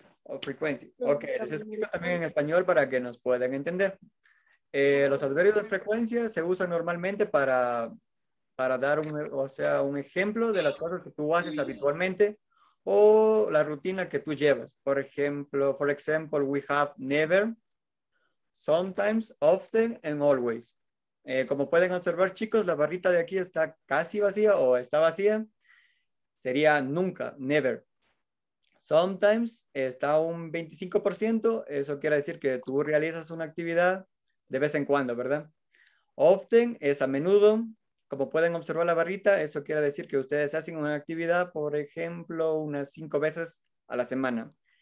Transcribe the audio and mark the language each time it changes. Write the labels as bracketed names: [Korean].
[Spanish] Ok, les explico también en español para que nos puedan entender. Los adverbios de frecuencia se usan normalmente para dar un ejemplo de las cosas que tú haces habitualmente o la rutina que tú llevas. [English] For example, we have never, sometimes, often, and always. [Spanish] Como pueden observar, chicos, la barrita de aquí está casi vacía o está vacía. Sería nunca, never. Sometimes está un 25%, eso quiere decir que tú realizas una actividad de vez en cuando, ¿verdad? Often es a menudo, como pueden observar la barrita, eso quiere decir que ustedes hacen una actividad, por ejemplo, unas 5 veces a la semana.